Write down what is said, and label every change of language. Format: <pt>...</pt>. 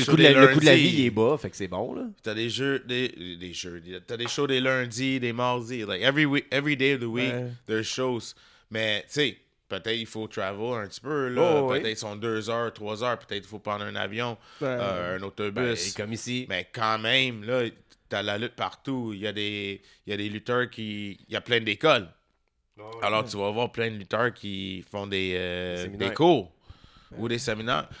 <fr>shows des lundis. Le coût de la vie est bas, fait que c'est bon, là. T'as des jeux, t'as des shows des lundis, des mardis.</fr> <en>Like every day of the week, there's shows.</en> <fr>Mais tu sais. Peut-être il faut travel un petit peu. Là. Oh, peut-être sont 2 heures, 3 heures. Peut-être il faut prendre un avion, un autobus. Ben, comme ici. Mais quand même, là, t'as la lutte partout. Il y a des lutteurs qui... Il y a plein d'écoles. Oh, alors, tu vas voir plein de lutteurs qui font des cours ou des séminaires.</fr>